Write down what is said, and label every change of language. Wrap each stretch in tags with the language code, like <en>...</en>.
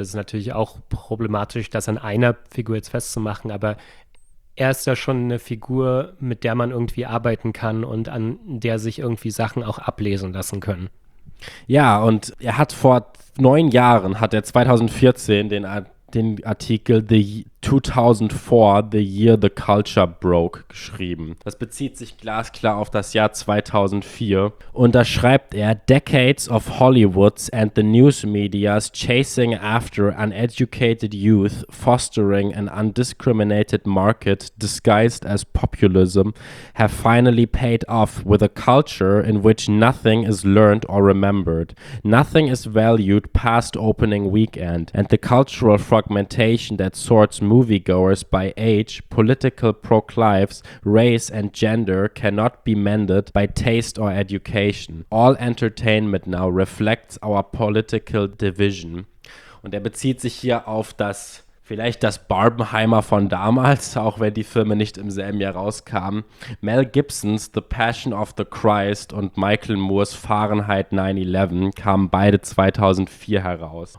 <de>Das ist natürlich auch problematisch, das an einer Figur jetzt festzumachen, aber er ist ja schon eine Figur, mit der man irgendwie arbeiten kann und an der sich irgendwie Sachen auch ablesen lassen können. Ja, und er hat vor 9 Jahren, hat er 2014 den Artikel The 2004, The Year the Culture Broke, geschrieben. Das bezieht sich glasklar auf das Jahr 2004.</de> <en>Und da schreibt er, Decades of Hollywood's and the news media's chasing after uneducated youth, fostering an undiscriminated market disguised as populism, have finally paid off with a culture in which nothing is learned or remembered. Nothing is valued past opening weekend, and the cultural fragmentation that sorts moviegoers by age, political proclives, race and gender cannot be mended by taste or education. All entertainment now reflects our political division.</en> <de>Und er bezieht sich hier auf das Barbenheimer von damals, auch wenn die Filme nicht im selben Jahr rauskamen. Mel Gibson's The Passion of the Christ und Michael Moores Fahrenheit 9/11 kamen beide 2004 heraus.</de>